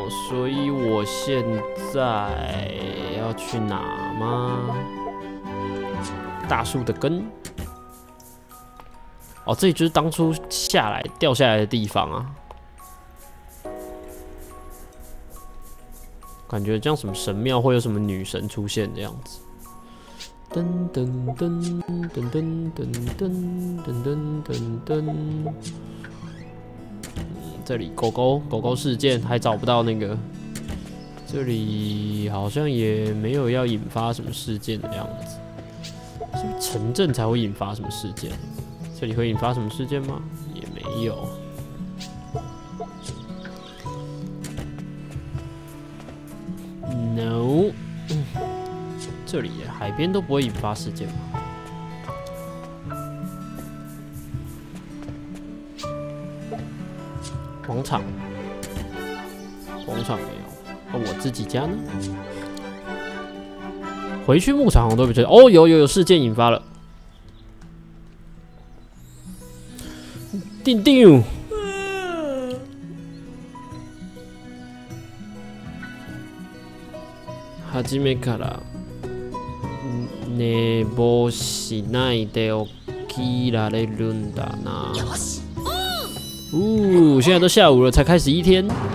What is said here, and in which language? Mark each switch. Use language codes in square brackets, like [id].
[zh] 所以我现在要去哪吗？大树的根。哦，这里就是当初下来掉下来的地方啊。感觉像什么神庙会有什么女神出现的样子。噔噔噔噔噔噔噔噔噔噔噔。这里狗狗事件还找不到那个，这里好像也没有要引发什么事件的样子。是不是城镇才会引发什么事件？这里会引发什么事件吗？也没有。 No， 这里海边都不会引发事件吗？广场没有，那我自己家呢？回去牧场我都不觉得。哦，有事件引发了，定定。 [ja] はじめから寝坊しないで起きられるんだな。 [zh] 哦，现在都下午了，才开始一天。